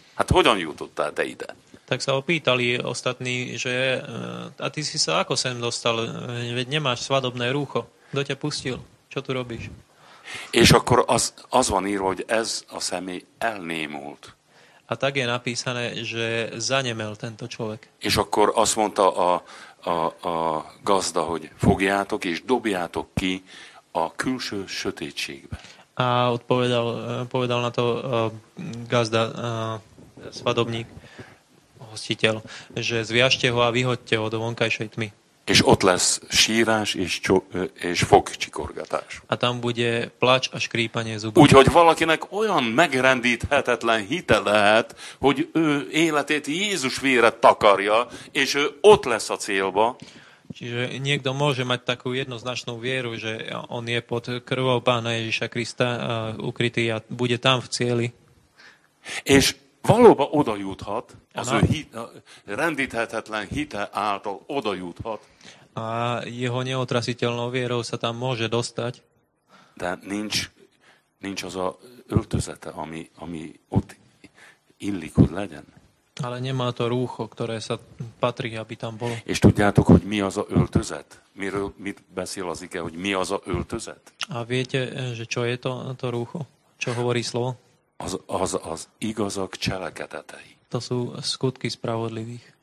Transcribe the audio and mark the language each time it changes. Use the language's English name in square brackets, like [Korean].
[Hungarian] Hát hogyan jutottál te ide? [Slovak] Tak sa opýtali ostatní, že a ty si sa ako sem dostal, veď nemáš svadobné rúcho. Kto ťa pustil? Čo tu robíš? [Hungarian] És akkor az van írva, hogy ez a személy elnémult. [Slovak] A tak je napísané, že zanemel tento človek. [Hungarian] És akkor azt mondta a gazda, hogy fogjátok és dobjátok ki a külső sötétségbe. [Slovak] A odpovedal na to gazda, svadobník, hostiteľ, že zviažte ho a vyhoďte ho do vonkajšej tmy. [Hungarian] És ott lesz sírás és fogcsikorgatás. [Slovak] A tam bude plač a škrípanie zubov. [Hungarian] Úgyhogy valakinek olyan megrendíthetetlen hite lehet, hogy ő életét Jézus vére takarja, és ő ott lesz a célba. [Slovak] Čiže niekto môže mať takú jednoznačnú vieru, že on je pod krvou Pána Ježiša Krista ukrytý a bude tam v cieli. [Hungarian] És valóban oda juthat, az ő rendíthetetlen hite által oda juthat. [Slovak] A jeho neotrasiteľnou vierou sa tam môže dostať. [Hungarian] De nincs az a öltözete, ami ott illik, hogy legyen. [Slovak] Ale nemá to rúcho, ktoré sa patrí, aby tam bolo. [Hungarian] És tudjátok, hogy mi az a öltözet? Mit beszél az ige, hogy mi az a öltözet? [Slovak] A viete, že čo je to rúcho? Čo hovorí slovo? [Hungarian] Az igazak cselekedetei. [Slovak] To sú skutky spravodlivých.